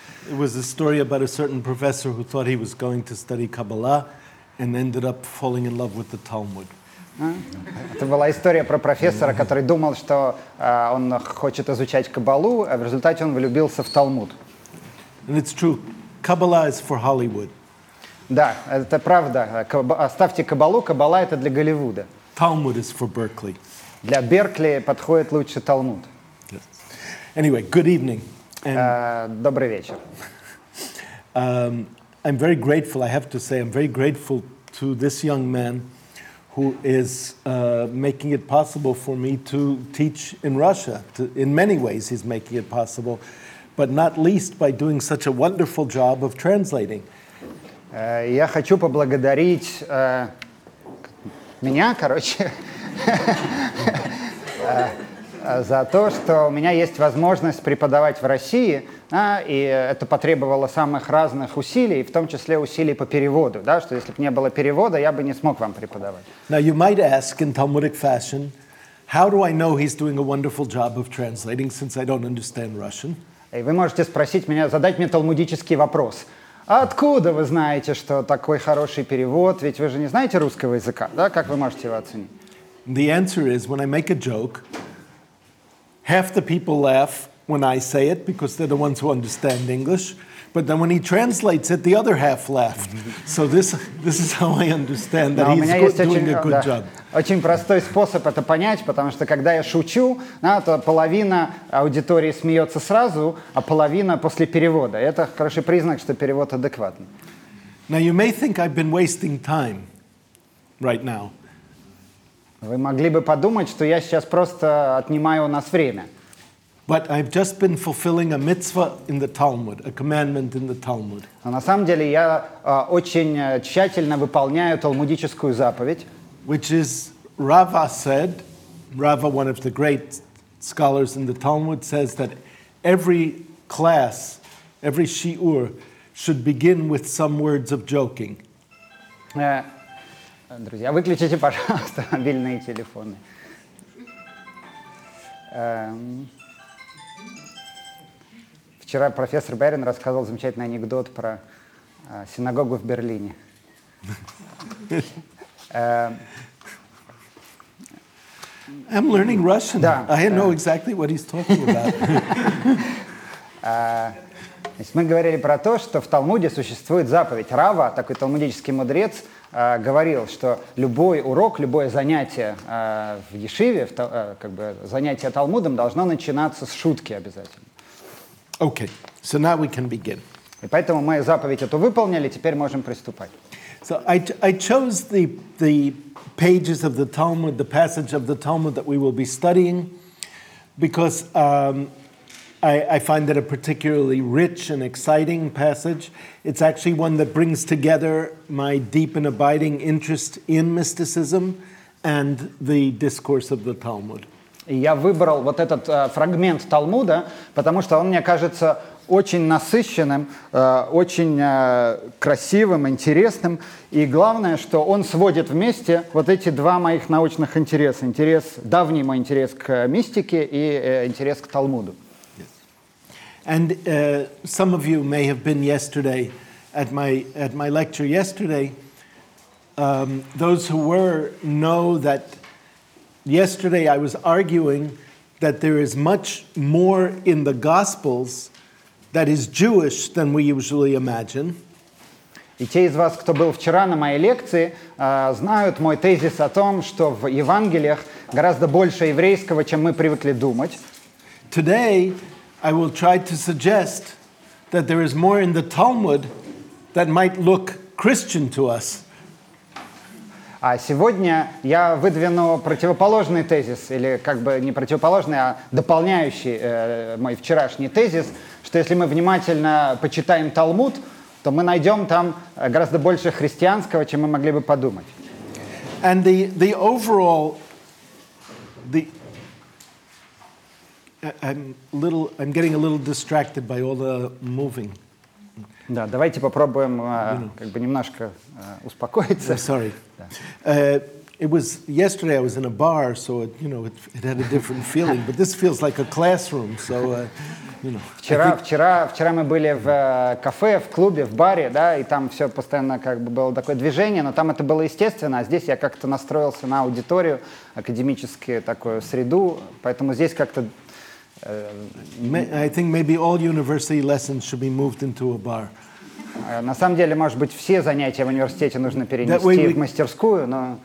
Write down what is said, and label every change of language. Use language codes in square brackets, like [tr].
[en] It was a story about a certain professor who thought he was going to study Kabbalah and ended up falling in love with the Talmud. [ru] Это была история про профессора, который думал, что он хочет изучать Каббалу, а в результате он влюбился в Талмуд. [en] And it's true. Kabbalah is for Hollywood. [ru] Да, это правда. Оставьте Каббалу, Каббала — это для Голливуда. [en] Talmud is for Berkeley. [ru] Для Беркли подходит лучше Талмуд. [en] Yes. Anyway, good evening. [ru] Добрый вечер. [en] I'm very grateful, I have to say, I'm very grateful to this young man who is making it possible for me to teach in Russia. In many ways he's making it possible, but not least by doing such a wonderful job of translating. [ru] Я хочу поблагодарить меня, короче, за то, что у меня есть возможность преподавать в России, и это потребовало самых разных усилий, в том числе усилий по переводу, да, что если бы не было перевода, я бы не смог вам преподавать. [en] Now you might ask in Talmudic fashion, how do I know he's doing a wonderful job of translating since I don't understand Russian? [ru] И вы можете спросить меня, задать мне талмудический вопрос. А откуда вы знаете, что такой хороший перевод? Ведь вы же не знаете русского языка, да? Как вы можете его оценить? [en] The answer is, when I make a joke, half the people laugh when I say it because they're the ones who understand English, but then when he translates it, the other half laugh. So this is how I understand that he's doing a good job. [ru] Очень простой способ это понять, потому что когда я шучу, то половина аудитории смеется сразу, а половина после перевода. Это хороший признак, что перевод адекватный. [en] Now you may think I've been wasting time right now. [ru] Вы могли бы подумать, что я сейчас просто отнимаю у нас время. [en] But I've just been fulfilling a mitzvah in the Talmud, a commandment in the Talmud. [ru] А на самом деле я очень тщательно выполняю талмудическую заповедь. [en] Which is, Rava said, Rava, one of the great scholars in the Talmud, says that every class, every shiur, should begin with some words of joking. [ru] Друзья, выключите, пожалуйста, мобильные телефоны. Вчера профессор Бояринин рассказывал замечательный анекдот про синагогу в Берлине. [en] I'm learning Russian. [ru] Да. [en] I know exactly what he's talking about. [ru] Мы говорили про то, что в Талмуде существует заповедь. Рава, такой талмудический мудрец, говорил, что любой урок, любое занятие в Ешиве, как бы занятие Талмудом, должно начинаться с шутки обязательно. [en] Okay, so now we can begin. [ru] И поэтому мы заповедь эту выполнили, теперь можем приступать. [en] So I chose the pages of the Talmud, the passage of the Talmud that we will be studying, because I find it a particularly rich and exciting passage. It's actually one that brings together my deep and abiding interest in mysticism and the discourse of the Talmud. [ru] И я выбрал вот этот фрагмент Талмуда, потому что он мне кажется очень насыщенным, очень красивым, интересным. И главное, что он сводит вместе вот эти два моих научных интереса. Интерес, давний мой интерес к мистике и интерес к Талмуду. [en] And some of you may have been yesterday at my lecture yesterday. Those who were know that yesterday I was arguing that there is much more in the Gospels that is Jewish than we usually imagine. [ru] И те из вас, кто был вчера на моей лекции, знают мой тезис о том, что в Евангелиях гораздо больше еврейского, чем мы привыкли думать. [en] Today I will try to suggest that there is more in the Talmud that might look Christian to us. [ru] А сегодня я выдвину противоположный тезис, или как бы не противоположный, а дополняющий мой вчерашний тезис, что если мы внимательно почитаем Талмуд, то мы найдем там гораздо больше христианского, чем мы могли бы подумать. [en] And the overall... I'm getting a little distracted by all the moving. [ru] Да, давайте попробуем как бы немножко успокоиться. [en] I'm sorry. It was yesterday. I was in a bar, so it, you know, it had a different feeling. But this feels like a classroom. So, you know. [ru] Вчера мы были в кафе, в клубе, в баре, да, и там все постоянно как бы было такое движение, но там это было естественно, а здесь я как-то настроился на аудиторию, академическую такую среду, поэтому здесь как-то [en] I think maybe all university lessons should be moved into a bar. [ru] На самом деле, может быть, все занятия в университете нужно перенести в мастерскую, но